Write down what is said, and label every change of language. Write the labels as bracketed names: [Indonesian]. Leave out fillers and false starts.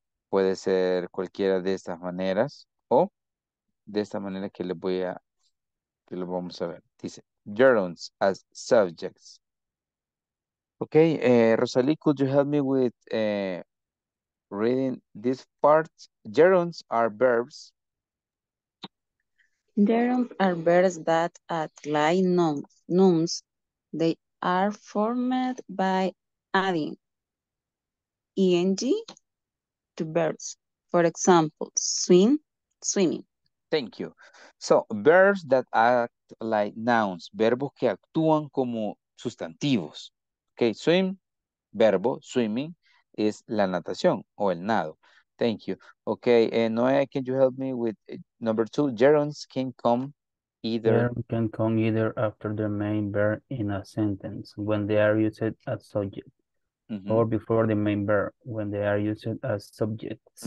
[Spanish] Puede ser cualquiera de estas maneras o de esta manera que les voy a, que lo vamos a ver. Dice, [English] gerunds as subjects. Okay, Rosalie, could you help me with reading this part? Gerunds are verbs. Gerunds are verbs that act like nouns. They are formed by adding ing to verbs. For example, swim, swimming. Thank you. So, verbs that act act like nouns, [Spanish] verbos que actúan como sustantivos. Okay, swim, verbo, swimming, es la natación o el nado. [English] Thank you. Okay, Noah, can you help me with number two? Gerunds can come either. Verb can come either after the main verb in a sentence when they are used as subject, mm-hmm. or before the main verb when they are used as subjects.